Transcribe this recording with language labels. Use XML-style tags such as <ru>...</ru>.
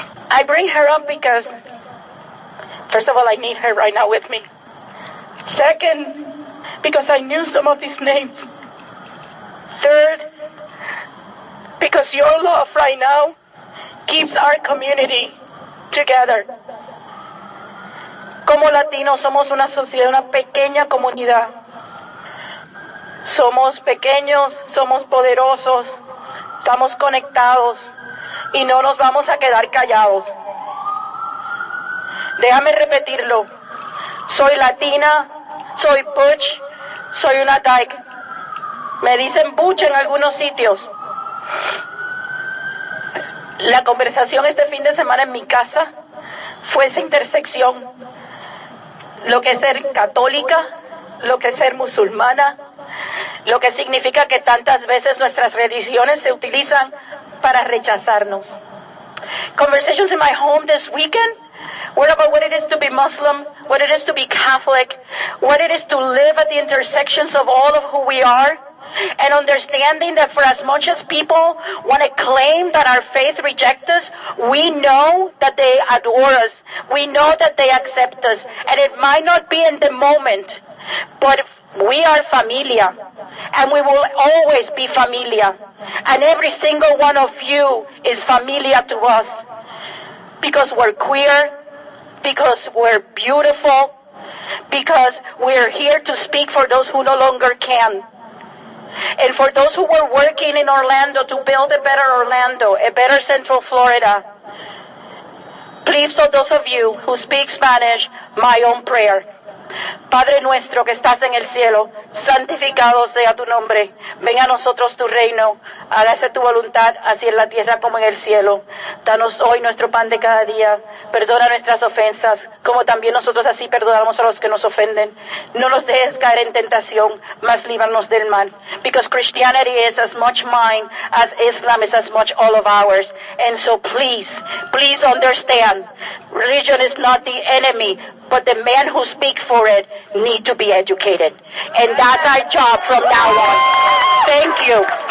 <en>I bring her up because, first of all, I need her right now with me. Second, because I knew some of these names. Third, because your love right now keeps our community together.</en> <es>Como latinos, somos una sociedad, una pequeña comunidad. Somos pequeños, somos poderosos, estamos conectados y no nos vamos a quedar callados. Déjame repetirlo. Soy latina, soy butch, soy una dyke. Me dicen butch en algunos sitios. La conversación este fin de semana en mi casa fue esa intersección. Lo que es ser católica, lo que es ser musulmana, lo que significa que tantas veces nuestras religiones se utilizan para rechazarnos.</es> <en>Conversations in my home this weekend were about what it is to be Muslim, what it is to be Catholic, what it is to live at the intersections of all of who we are. And understanding that for as much as people want to claim that our faith rejects us, we know that they adore us. We know that they accept us. And it might not be in the moment, but we are familia. And we will always be familia. And every single one of you is familia to us. Because we're queer, because we're beautiful, because we're here to speak for those who no longer can. And for those who were working in Orlando to build a better Orlando, a better Central Florida, please, for those of you who speak Spanish, my own prayer.</en> <es>Padre nuestro que estás en el cielo, santificado sea tu nombre. Venga a nosotros tu reino, hágase tu voluntad, así en la tierra como en el cielo. Danos hoy nuestro pan de cada día, perdona nuestras ofensas, como también nosotros así perdonamos a los que nos ofenden. No nos dejes caer en tentación, mas líbranos del mal.</es> <en>Because Christianity is as much mine as Islam is as much all of ours. And so please, please understand, religion is not the enemy, but the men who speak for it need to be educated. And that's our job from now on. Thank you.</en>